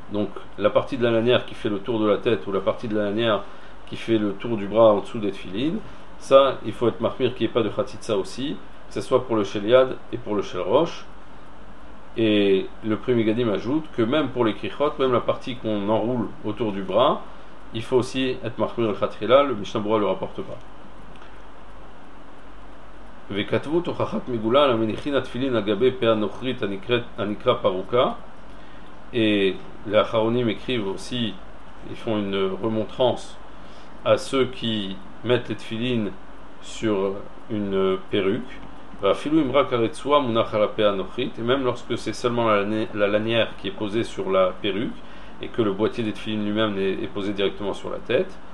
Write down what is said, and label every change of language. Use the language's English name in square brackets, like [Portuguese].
[French] Donc la partie de la lanière qui fait le tour de la tête ou la partie de la lanière qui fait le tour du bras en dessous des tefillin, ça il faut être mahmir qu'il n'y ait pas de chatzitza aussi, que ce soit pour le sheliad et pour le shelrosh. Et le premier gadim ajoute que même pour les krichot, même la partie qu'on enroule autour du bras, il faut aussi être mahmir le chatrila, le Mishnah Berurah ne le rapporte pas. [Hebrew] וכתבו תוכחת מגולה למניחין התפילין על גבי פאה נוכרית הנקרא פרוקה. [French] Et les acharonim écrivent aussi, ils font une remontrance à ceux qui mettent les tefillin sur une perruque. [Hebrew] ואפילו אם רק הרצועה מונח על הפאה הנוכרית, [French] et même lorsque c'est seulement la lanière qui est posée sur la perruque et que le boîtier des tefillin lui-même est posé directement sur la tête.